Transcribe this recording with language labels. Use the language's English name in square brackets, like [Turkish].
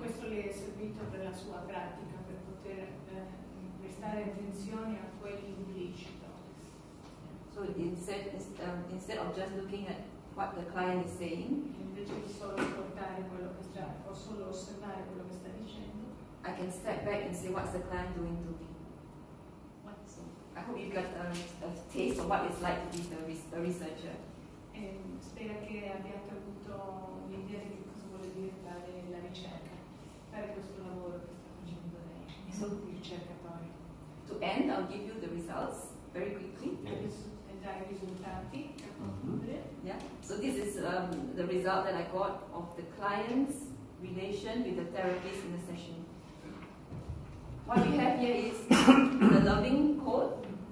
[Italian] Questo le è servito per la sua pratica, per poter prestare attenzione a quell'implicito. [English] So instead of just looking at what the client is saying, [Italian] invece di solo ascoltare quello che sta, o solo osservare quello che sta dicendo, [English] I can step back and say what's the client doing to me. So, I hope you got a taste of what it's like to be the researcher. [Italian] Spera che abbiate avuto un'idea di cosa vuole dire fare la ricerca, fare questo lavoro che sta facendo lei, il ricercatore. [English] To end, I'll give you the results very quickly. [Italian] Yes. Dare i risultati a concludere. [English] Yeah. So this is the result that I got of the client's relation with the therapist in the session. What we have here is the loving code.